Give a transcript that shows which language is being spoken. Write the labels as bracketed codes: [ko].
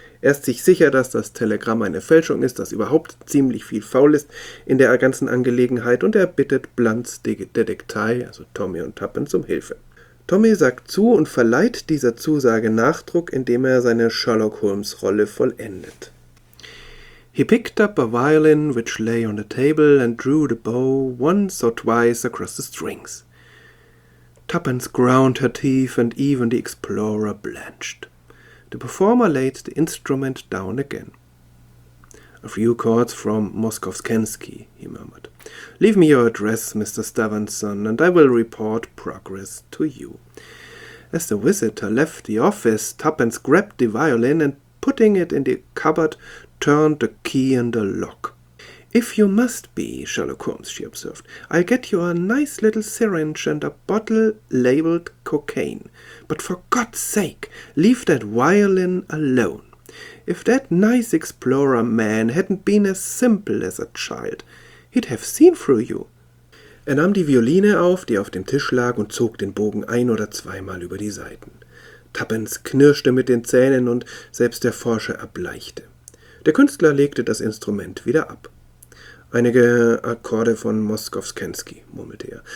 [de] Er ist sich sicher, dass das Telegramm eine Fälschung ist, dass überhaupt ziemlich viel faul ist in der ganzen Angelegenheit und er bittet Blunts Detektei, also Tommy und Tuppence, um Hilfe. Tommy sagt zu und verleiht dieser Zusage Nachdruck, indem er seine Sherlock-Holmes-Rolle vollendet. [en] He picked up a violin which lay on the table and drew the bow once or twice across the strings. Tuppence ground her teeth and even the explorer blanched. The performer laid the instrument down again. A few chords from Moskowskensky, he murmured. Leave me your address, Mr. Stevenson, and I will report progress to you. As the visitor left the office, Tuppence grabbed the violin and, putting it in the cupboard, turned the key in the lock. If you must be, Sherlock Holmes, she observed, I'll get you a nice little syringe and a bottle labeled cocaine. But for God's sake, leave that violin alone. If that nice explorer man hadn't been as simple as a child, he'd have seen through you. [de] Er nahm die Violine auf, die auf dem Tisch lag, und zog den Bogen ein oder zweimal über die Saiten. Tuppence knirschte mit den Zähnen und selbst der Forscher erbleichte. Der Künstler legte das Instrument wieder ab. Einige Akkorde von Moskowskensky, murmelte er.